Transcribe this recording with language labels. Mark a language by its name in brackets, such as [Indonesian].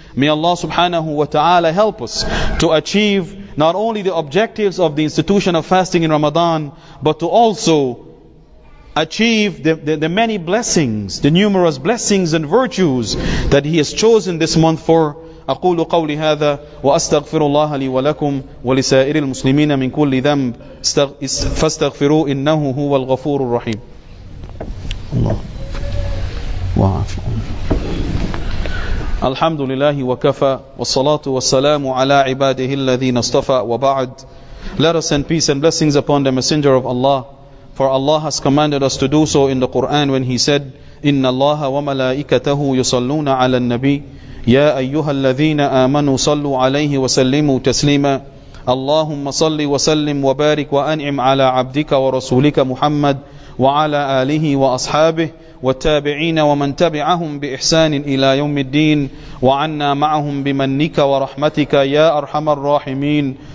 [English] May Allah subhanahu wa ta'ala help us to achieve not only the objectives of the institution of fasting in Ramadan, but to also achieve the many blessings, the numerous blessings and virtues that He has chosen this month for. [Arabic] أقول قولي هذا وأستغفر الله لي ولكم ولسائر المسلمين من كل ذنب فاستغفروا إنه هو الغفور الرحيم. الله وعافية. الحمد لله وكفى والصلاة والسلام على عباده الذين اصطفى وبعد. [English] Let us send peace and blessings upon the messenger of Allah, for Allah has commanded us to do so in the Quran when He said, [Arabic] إن الله وملائكته يصلون على النبي يا أيها الذين آمنوا صلوا عليه وسلموا تسليما. اللهم صل وسلم وبارك وأنعم على عبدك ورسولك محمد وعلى آله وأصحابه والتابعين ومن تبعهم بإحسان إلى يوم الدين وعنا معهم بمنك ورحمتك يا أرحم الراحمين.